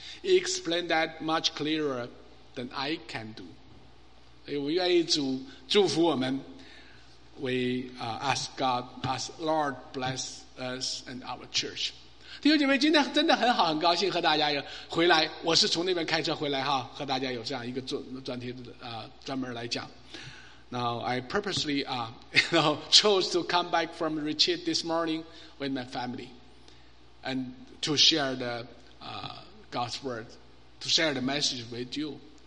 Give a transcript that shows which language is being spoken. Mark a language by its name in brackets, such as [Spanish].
[English] Explain that much clearer than I can do. [Chinese] 所以我愿意祝福我们。 [English] We ask God, ask Lord bless us and our church. [Chinese] 弟兄姐妹，今天真的很好，很高兴和大家又回来。我是从那边开车回来哈，和大家有这样一个专门来讲。 [English] Now I purposely chose to come back from retreat this morning with my family and to share the God's word, to share the message with you.